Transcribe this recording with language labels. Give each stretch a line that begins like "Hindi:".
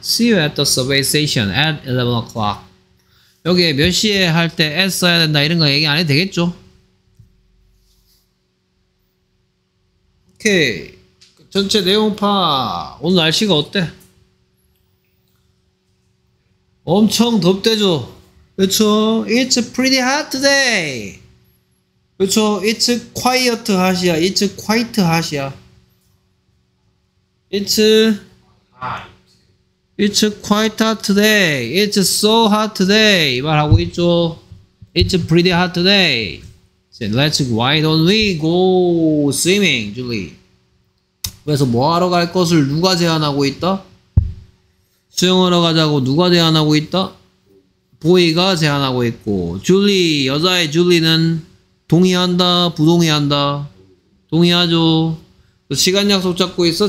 English: See you at the subway station at 11 o'clock.
Korean: 여기에 몇 시에 할 때 at 써야 된다 이런 거 얘기 안 해도 되겠죠? 오케이. 전체 내용 파. 오늘 날씨가 어때? 엄청 덥대죠. 그쵸?
English: It's pretty hot today.
Korean: 그쵸?
English: It's quiet hot이야. It's quite hot이야. It's quite hot today. It's so hot today.
Korean: 이 말하고 있죠.
English: It's pretty hot today. So let's, why don't we go swimming, Julie?
Korean: 그래서 뭐 하러 갈 것을 누가 제안하고 있다? 수영하러 가자고 누가 제안하고 있다? 보이가 제안하고 있고 줄리, 여자의 줄리는 동의한다? 부동의한다? 동의하죠. 시간 약속 잡고 있어?